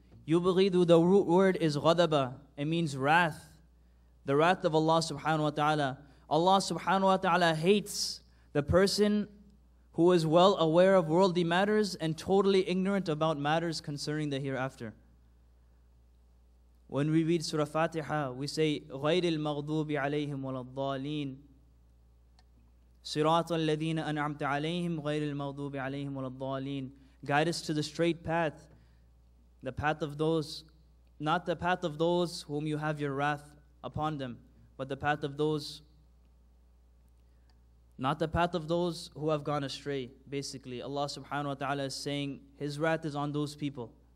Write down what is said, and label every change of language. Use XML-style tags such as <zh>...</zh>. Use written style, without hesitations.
<en>Yubghidu, the root word is ghadaba. It means wrath. The wrath of Allah subhanahu wa ta'ala. Allah subhanahu wa ta'ala hates the person who is well aware of worldly matters and totally ignorant about matters concerning the hereafter. When we read Surah Fatiha, we say,</en> <ar>غَيْرِ الْمَغْضُوبِ عَلَيْهِمْ وَلَا الضَّالِينَ صِرَاطَ الَّذِينَ أَنْعَمْتَ عَلَيْهِمْ غَيْرِ الْمَغْضُوبِ عَلَيْهِمْ وَلَا الضَّالِينَ.</ar> <en>Guide us to the straight path, the path of those, not the path of those whom you have your wrath upon them, but the path of those, not the path of those who have gone astray, basically. Allah subhanahu wa ta'ala is saying His wrath is on those people.</en>